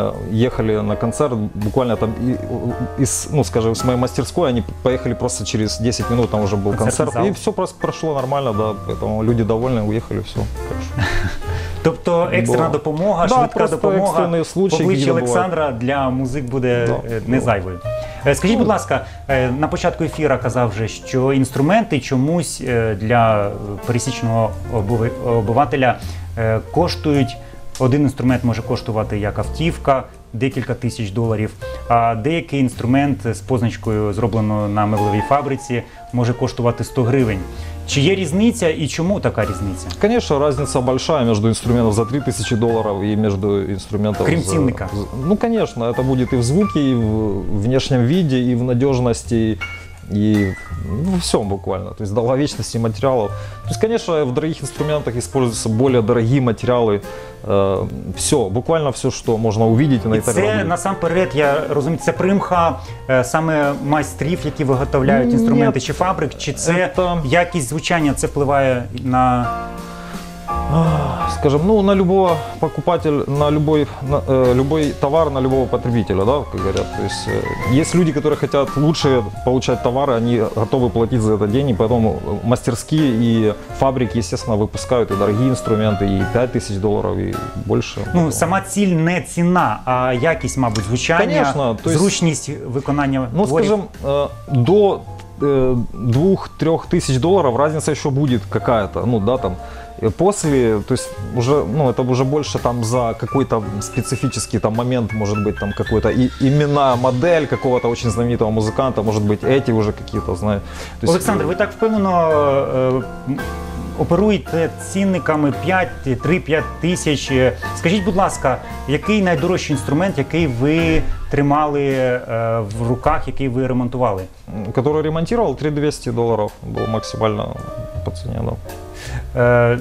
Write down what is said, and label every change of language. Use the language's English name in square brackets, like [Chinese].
[Russian] ехали на концерт, буквально там, из, ну, скажем, с моей мастерской, они поехали просто через 10 минут, там уже был концерт, и все просто прошло нормально, да, поэтому люди довольны, уехали, все, хорошо. [Ukrainian] Тобто екстрена допомога, швидка допомога обличчя Олександра для музик буде не зайвою. Скажіть, будь ласка, на початку ефіра казав вже, що інструменти чомусь для пересічного обивателя коштують. Один інструмент може коштувати, як автівка, декілька тисяч доларів, а деякий інструмент з позначкою, зробленою на мебловій фабриці, може коштувати 100 гривень. Чи є різниця і чому така різниця? Звісно, різниця велика між інструментом за 3 тисячі доларів і між інструментом... Крім цінника. Ну, звісно, це буде і в звуці, і в зовнішньому виді, і в надіжності. [Russian] И во всем буквально, то есть долговечности материалов. То есть, конечно, в дорогих инструментах используются более дорогие материалы. Все, буквально все, что можно увидеть на этой работе. И это, [Ukrainian] насамперед, я розумію, це примха саме майстрів, які виготовляють інструменти, чи фабрик, чи це якість звучання, це впливає на... [Russian] Скажем, ну, на любого покупателя, на любой, любой товар, на любого потребителя, да, как говорят. То есть, есть люди, которые хотят лучше получать товары, они готовы платить за это деньги, поэтому мастерские и фабрики, естественно, выпускают и дорогие инструменты, и 5 тысяч долларов, и больше. [Ukrainian] Ну, [Russian] сама цель не цена, [Ukrainian] а якість, мабуть, звучання, зручність виконання творів. [Russian] Ну, скажем, до 2-3 тысяч долларов разница еще будет какая-то, ну, да, там. после, то есть уже, ну, это уже больше там за какой-то специфический там момент, может быть, там какой-то имена, модель какого-то очень знаменитого музыканта, может быть, эти уже какие-то, знаете. [Ukrainian] Олександр, ви так впевнено оперуєте цінниками 3-5 тисяч. Скажіть, будь ласка, який найдорожчий інструмент, який ви тримали в руках, який ви ремонтували? [Russian] Который ремонтировал, [Ukrainian] $3200 було максимально по ціні, да.